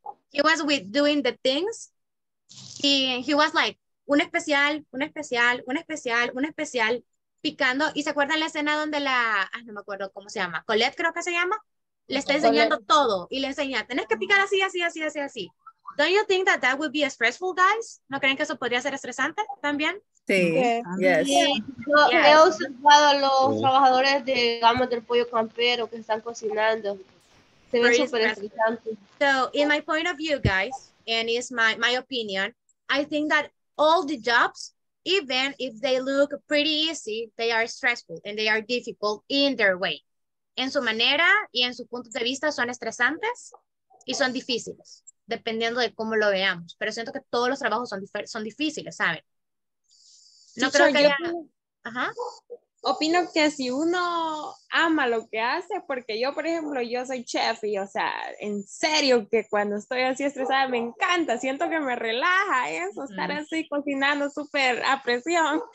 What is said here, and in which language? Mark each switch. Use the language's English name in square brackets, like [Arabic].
[English] He was doing the things. Y he was like, [Spanish] un especial, picando. ¿Y se acuerdan la escena donde no me acuerdo cómo se llama. Colette creo que se llama. Le está enseñando todo y le enseña, tenés que picar así. [English] Don't you think that would be stressful, guys? [Spanish] ¿No creen que eso podría ser estresante también? Sí. [English] Yes. [Spanish] Yo he observado a los trabajadores de gamas del pollo campero que están cocinando. Se ve súper estresante. [English] So, in my point of view, guys, and it's my opinion, I think that all the jobs, even if they look pretty easy, they are stressful and they are difficult in their way. [Spanish] En su manera y en su punto de vista son estresantes y son difíciles, dependiendo de cómo lo veamos. Pero siento que todos los trabajos son difíciles, ¿saben? No, teacher, creo que opino que si uno ama lo que hace, porque yo, por ejemplo, yo soy chef y, o sea, en serio que cuando estoy así estresada me encanta, siento que me relaja eso, estar así cocinando súper a presión.